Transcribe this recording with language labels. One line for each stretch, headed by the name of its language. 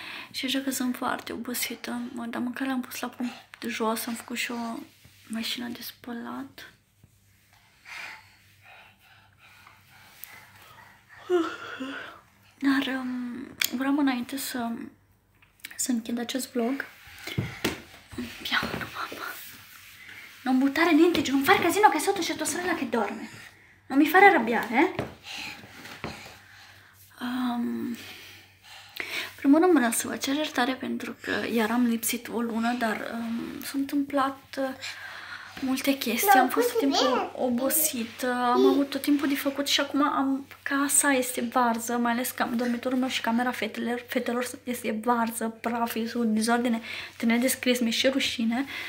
Romanian: Și așa că sunt foarte obosită, dar mâncare am pus la punct de jos, am făcut și o mașină de spălat. Dar vreau înainte să închid acest vlog.
Italian: Non buttare niente giù, non fare casino che sotto c'è tua sorella che dorme. Non mi fare arrabbiare, eh?
Romanian: Primul rând vreau să vă cer iertare pentru că iar am lipsit o lună, dar s-au întâmplat multe chestii. Am fost timpul obosit, am avut tot timpul de făcut și acum casa este varză, mai ales că dormitorul meu și camera fetelor este varză, praf, este o dizordine, trebuie de scris, mi-e și rușine.